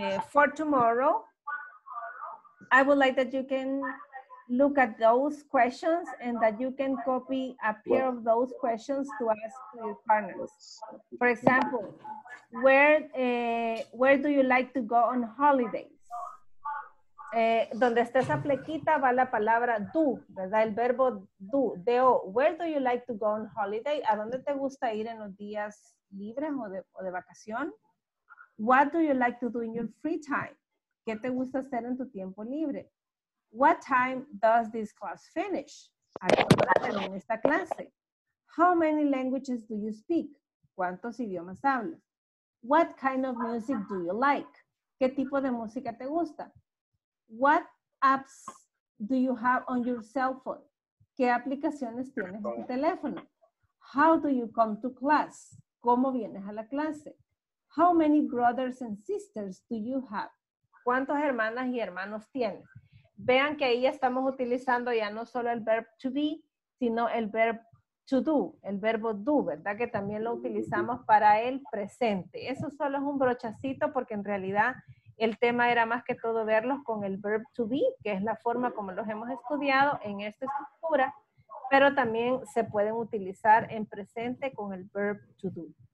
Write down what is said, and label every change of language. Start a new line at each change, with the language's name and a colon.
English: For tomorrow, I would like that you can look at those questions and that you can copy a pair of those questions to ask to your partners. For example, where do you like to go on holidays?
Spanish: Donde está esa flequita va la palabra do, ¿verdad? El verbo do, do.
English: Where do you like to go on holiday?
Spanish: ¿A dónde te gusta ir en los días libres o de vacación?
English: What do you like to do in your free time?
Spanish: ¿Qué te gusta hacer en tu tiempo libre?
English: What time does this class finish?
Spanish: ¿A qué hora termina esta clase?
English: How many languages do you speak?
Spanish: ¿Cuántos idiomas hablas?
English: What kind of music do you like?
Spanish: ¿Qué tipo de música te gusta?
English: What apps do you have on your cell phone?
Spanish: ¿Qué aplicaciones tienes en tu teléfono?
English: How do you come to class?
Spanish: ¿Cómo vienes a la clase?
English: How many brothers and sisters do you have?
Spanish: ¿Cuántos hermanas y hermanos tienes? Vean que ahí estamos utilizando ya no solo el verb to be, sino el verb to do, el verbo do, ¿verdad? Que también lo utilizamos para el presente. Eso solo es un brochacito porque en realidad el tema era más que todo verlos con el verb to be, que es la forma como los hemos estudiado en esta estructura, pero también se pueden utilizar en presente con el verb to do.